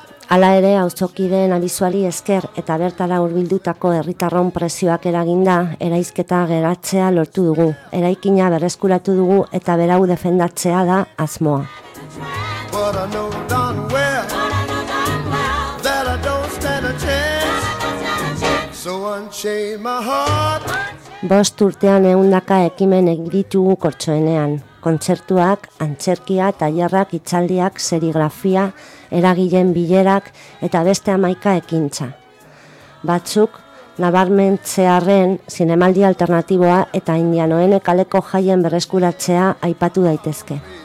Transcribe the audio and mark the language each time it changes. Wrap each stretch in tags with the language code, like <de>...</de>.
<eu>Hala ere, auzokideen abizuari esker eta bertara hurbildutako herritarron presioak eraginda, eraizketa geratzea lortu dugu. Eraikina berreskuratu dugu eta berau defendatzea da asmoa.</eu> <en>But I know darn well, that I don't stand a chance, so unchain my heart.</en> <eu>Bost urtean 100 ekimen egiditugu Kortxoenean. Kontzertuak, antzerkia, tailerrak, hitzaldiak, serigrafia, eragileen bilerak eta beste 11 ekintza. Batzuk, nabarmentzearen zinemaldi alternatiboa eta Indianoene kaleko jaien berreskuratzea aipatu daitezke.</eu>